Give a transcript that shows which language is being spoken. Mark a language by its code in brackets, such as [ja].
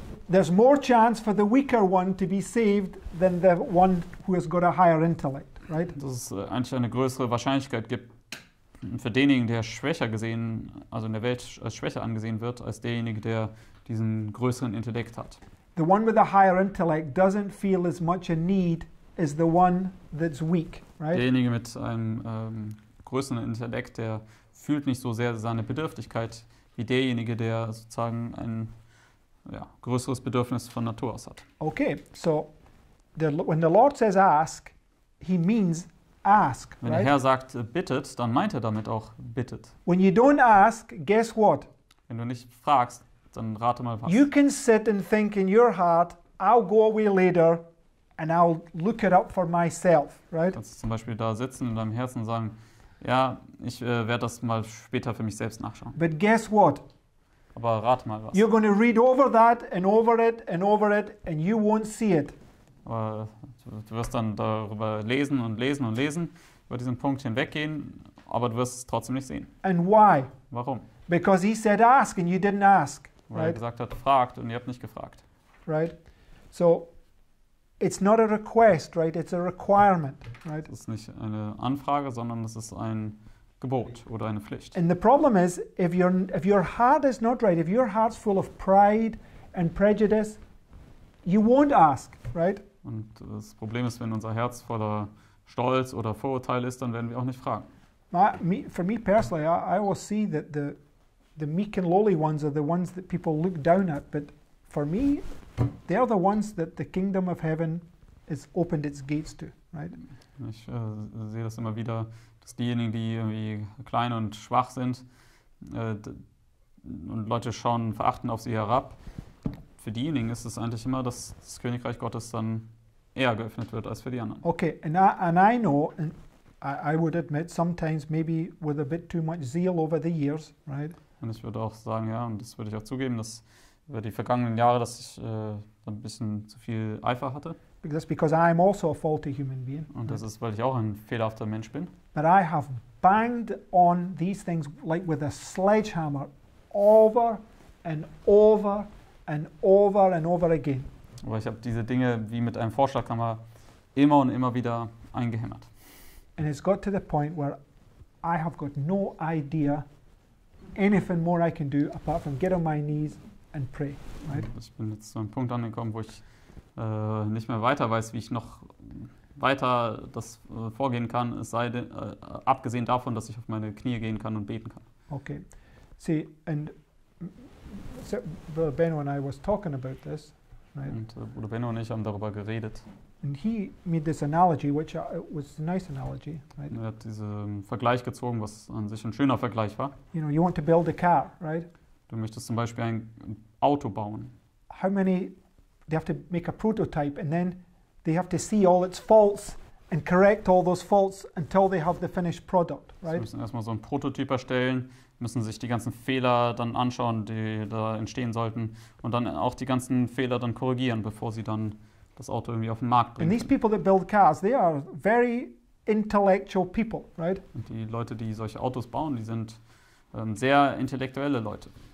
[en] There's more chance for the weaker one to be saved than the one who has got a higher intellect, right? [de] Dass es eigentlich eine größere Wahrscheinlichkeit gibt für denjenigen, der schwächer gesehen, also in der Welt als schwächer angesehen wird, als derjenige, der diesen größeren Intellekt hat. [en] The one with a higher intellect doesn't feel as much a need as the one that's weak, right? [de] Derjenige mit einem größeren Intellekt, der fühlt nicht so sehr seine Bedürftigkeit wie derjenige, der sozusagen ein größeres Bedürfnis von Natur aus hat. [en] Okay, so when the Lord says ask, he means ask, right? [de] Wenn der Herr sagt bittet, dann meint er damit auch bittet. [en] When you don't ask, guess what? [de] Wenn du nicht fragst, dann rate mal was. [en] You can sit and think in your heart, I'll go away later and I'll look it up for myself, right? [de] Kannst du zum Beispiel da sitzen in deinem Herzen und sagen, Ja, ich werde das mal später für mich selbst nachschauen. [en] But guess what? [de] Aber rat mal was. [en] You're going to read over that and over it and over it and you won't see it. [de] Aber du wirst dann darüber lesen und lesen und lesen, über diesen Punkt hinweggehen, aber du wirst es trotzdem nicht sehen. [en] And why? [de] Warum? [en] Because he said ask and you didn't ask. [de] Weil er gesagt hat, fragt und ihr habt nicht gefragt. [en] Right? So, it's not a request, right? It's a requirement, right? [de] Es ist nicht eine Anfrage, sondern es ist ein Gebot oder eine Pflicht. [en] And the problem is, if your heart is not right, if your heart's full of pride and prejudice, you won't ask, right? [de] Und das Problem ist, wenn unser Herz voller Stolz oder Vorurteil ist, dann werden wir auch nicht fragen. [en] For me personally, I will see that the meek and lowly ones are the ones that people look down at, but for me, they are the ones that the kingdom of heaven has opened its gates to, right? [de] Ich sehe das immer wieder, dass diejenigen, die irgendwie klein und schwach sind und Leute schauen verachten auf sie herab, für diejenigen ist es eigentlich immer, dass das Königreich Gottes dann eher geöffnet wird als für die anderen. [en] Okay, and I know, and I would admit, sometimes maybe with a bit too much zeal over the years, right? [de] Und ich würde auch sagen, ja, und das würde ich auch zugeben, dass über die vergangenen Jahre, dass ich ein bisschen zu viel Eifer hatte. [en] That's because I'm also a faulty human being. [de] Und das ist, weil ich auch ein fehlerhafter Mensch bin. [en] But I have banged on these things like with a sledgehammer over and over and over and over again. [de] Aber ich habe diese Dinge wie mit einem Vorschlaghammer immer und immer wieder eingehämmert. [en] And it's got to the point where I have got no idea anything more I can do apart from get on my knees and pray, right? [de] Ich bin jetzt zu einem Punkt angekommen, wo ich nicht mehr weiter weiß, wie ich noch weiter das vorgehen kann, es sei denn, abgesehen davon, dass ich auf meine Knie gehen kann und beten kann. [en] Okay. See, and Brother Benno and I was talking about this, right? [de] Und Bruder Benno und ich haben darüber geredet. [en] And he made this analogy, which was a nice analogy, right? [de] Er hat diesen Vergleich gezogen, was an sich ein schöner Vergleich war. [en] You know, you want to build a car, right? [de] Du möchtest zum Beispiel ein Auto bauen. [en] How many, they have to make a prototype and then they have to see all its faults and correct all those faults until they have the finished product, right? [de] Sie müssen erstmal so einen Prototyp erstellen, müssen sich die ganzen Fehler dann anschauen, die da entstehen sollten und dann auch die ganzen Fehler dann korrigieren, bevor sie dann das Auto irgendwie auf den Markt bringen. [en] And these people that build cars, they are very intellectual people, right? [de] Und die Leute, die solche Autos bauen, die sind sehr intellektuelle Leute.